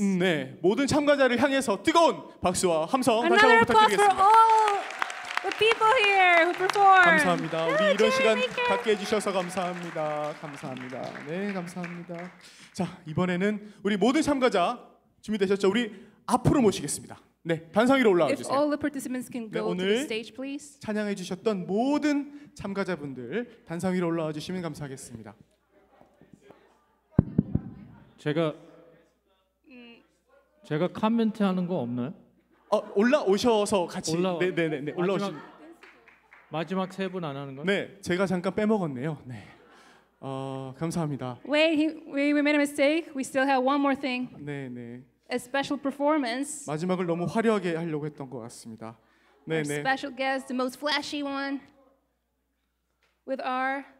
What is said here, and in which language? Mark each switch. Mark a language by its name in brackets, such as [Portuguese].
[Korean] 네, 모든 참가자를 향해서 뜨거운 박수와 함성 다시 한번 부탁드리겠습니다. [English] The people here who perform. [Korean] 감사합니다. 우리 이런 시간 갖게 해주셔서 감사합니다. 감사합니다. 네, 감사합니다. 자, 이번에는 우리 모든 참가자 준비되셨죠? 우리 앞으로 모시겠습니다. 네, 단상 위로 올라와 주세요. [English] If all the participants can go 네, to the stage, please. [Korean] 찬양해 주셨던 모든 참가자분들 단상 위로 올라와 주시면 감사하겠습니다. 제가 코멘트 하는 거 없나요? 올라오셔서 같이 네. 올라오신 마지막 세 분 안 하는 건? 네, 제가 잠깐 빼먹었네요. 네, 감사합니다. [English] Wait, we made a mistake. We still have one more thing. [Korean] 네. [English] A special performance. [Korean] 마지막을 너무 화려하게 하려고 했던 것 같습니다. 네. [English] Our special guest, the most flashy one, with our